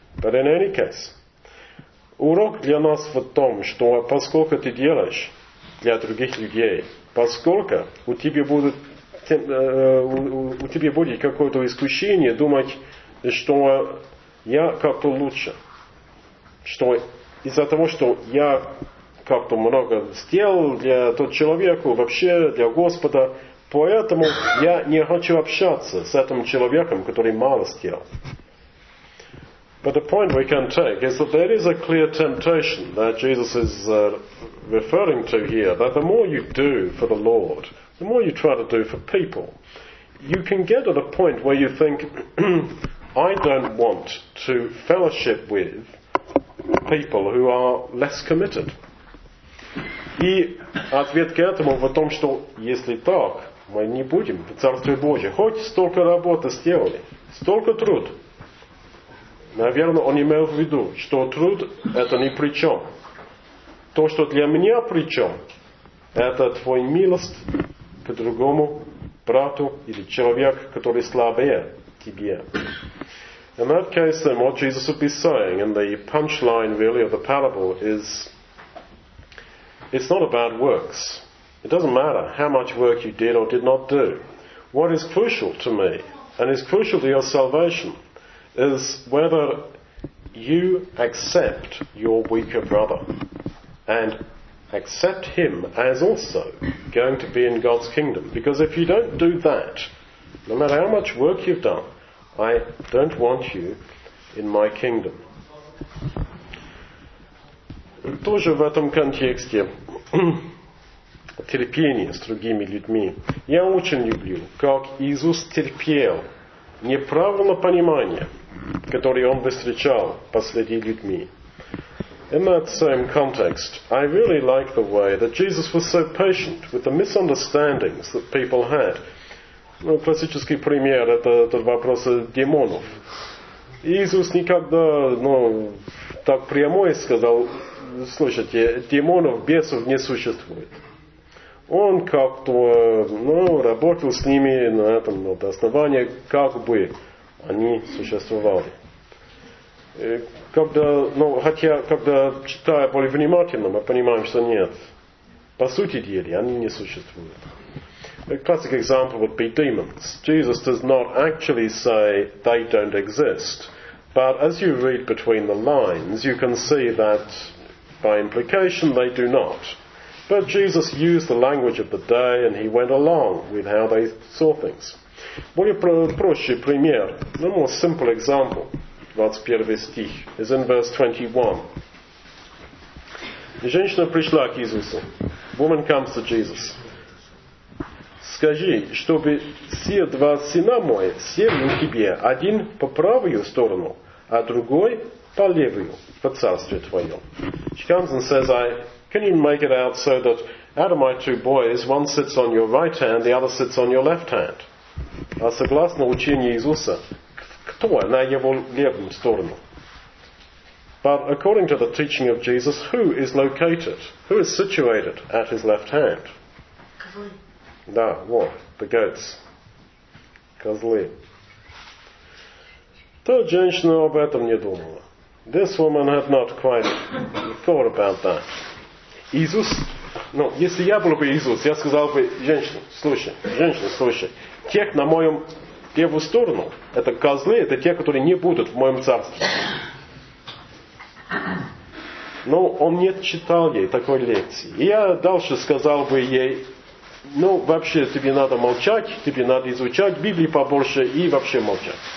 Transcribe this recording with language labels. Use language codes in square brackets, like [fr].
[en] But in any case, [ru] урок для нас в том, что поскольку ты делаешь для других людей, поскольку у тебя будет какое-то искушение думать, что я как-то лучше, что из-за того, что я как-то много сделал для того человека, вообще для Господа, поэтому я не хочу общаться с этим человеком, который мало сделал. [en] But the point we can take is that there is a clear temptation that Jesus is referring to here, that the more you do for the Lord, the more you try to do for people, you can get at a point where you think, I don't want to fellowship with people who are less committed. [ru] И ответ к этому в том, что если так, мы не будем в Царстве Божьем. Хоть столько работы сделали, столько труд. Наверное, он имел в виду, что труд – это ни при чем. То, что для меня при чем, это твой милость к другому брату или человеку, который слабее тебе. [en] In that case, then, what Jesus would be saying, and the punchline, really, of the parable is, it's not about works. It doesn't matter how much work you did or did not do. What is crucial to me, and is crucial to your salvation, is whether you accept your weaker brother and accept him as also going to be in God's kingdom. Because if you don't do that, no matter how much work you've done, I don't want you in my kingdom. [ru] Тоже в этом контексте терпение с другими людьми. Я очень люблю, как Иисус терпел неправильное понимание, которые он встречал посреди людьми. [en] In that same context, I really like the way that Jesus was so patient with the misunderstandings that people had. [ru] Ну, классический пример – это вопрос демонов. Иисус никогда, ну, так прямо и сказал, слушайте, демонов, бесов не существует. Он как-то, ну, работал с ними на этом вот основании, как бы они существовали. Когда, ну, хотя, когда читая более внимательно, мы понимаем, что нет. По сути дела, они не существуют. [en] A classic example would be demons. Jesus does not actually say they don't exist. But as you read between the lines, you can see that by implication they do not. But Jesus used the language of the day and he went along with how they saw things. [ru] Более проще пример, [en] the more simple example, 21 [ru] стих, [en] is in verse 21. [ru] Женщина пришла к Иисусу. [en] Woman comes to Jesus. [ru] Скажи, чтобы все два сына мои сели у тебя, один по правую сторону, а другой по левую, по царствию твоем. [en] She comes and says, can you make it out so that out of my two boys, one sits on your right hand, the other sits on your left hand? [ru] А согласно учению Иисуса, кто на его левом сторону? [en] But according to the teaching of Jesus, who is located? Who is situated at his left hand? [ru] Да, вот, пытаются. Козлы. Та женщина об этом не думала. [en] This woman had not quite thought about that. [ru] Иисус, ну, если я был бы Иисус, я сказал бы, женщина, слушай, те на моем левую сторону, это козлы, это те, которые не будут в моем царстве. Но он не читал ей такой лекции. И я дальше сказал бы ей, ну, вообще, тебе надо молчать, тебе надо изучать Библию побольше и вообще молчать.